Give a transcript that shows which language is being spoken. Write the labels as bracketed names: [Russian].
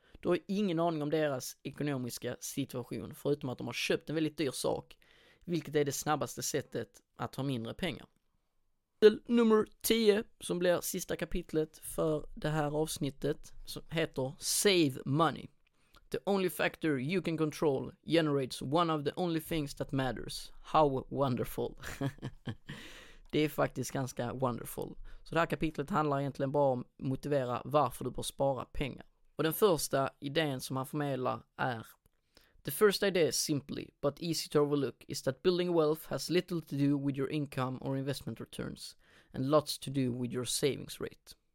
[Swedish] Du har ingen aning om deras ekonomiska situation förutom att de har köpt en väldigt dyr sak, vilket är det snabbaste sättet att ha mindre pengar. Nummer 10 som blir sista kapitlet för det här avsnittet som heter Save Money. [English] The only factor you can control generates one of the only things that matters. How wonderful. [Swedish] Det är faktiskt ganska wonderful. Så det här kapitlet handlar egentligen bara om att motivera varför du bör spara pengar. Och den första idén som han förmedlar är: [English] the first idea, simply but easy to overlook, is that building wealth has little to do with your income or investment returns and lots to do with your savings rate.